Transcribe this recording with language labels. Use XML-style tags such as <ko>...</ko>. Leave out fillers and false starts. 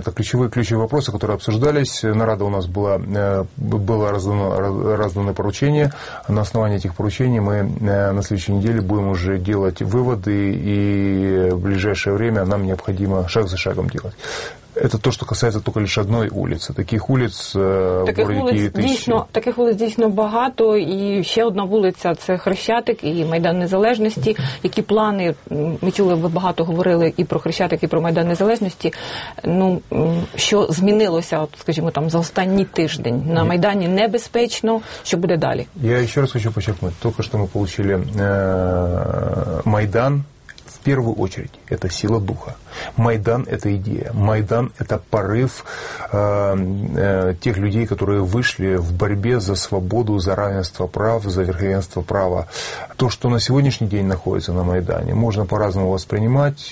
<ru>Это ключевые вопросы, которые обсуждались. Нарада у нас была, было раздано поручение. На основании этих поручений мы на следующей неделе будем уже делать выводы, и в ближайшее время нам необходимо шаг за шагом делать. Это то, что касается только лишь одной улицы. Таких улиц в городе Києві</ru> <uk>дійсно, тисячі. Таких улиць дійсно багато. І ще одна вулиця – це Хрещатик і Майдан Незалежності. Які плани? Ми чули, ви багато говорили і про Хрещатик, і про Майдан Незалежності. Ну, що змінилося, от, скажімо, там, за останній тиждень? На Майдані небезпечно. Що буде далі? Я ще раз хочу почекнути. Тільки що ми отримали Майдан.</uk> <ru>В первую очередь, это сила духа. Майдан – это идея. Майдан – это порыв тех людей, которые вышли в борьбе за свободу, за равенство прав, за верховенство права. То, что на сегодняшний день находится на Майдане, можно по-разному воспринимать.</ru>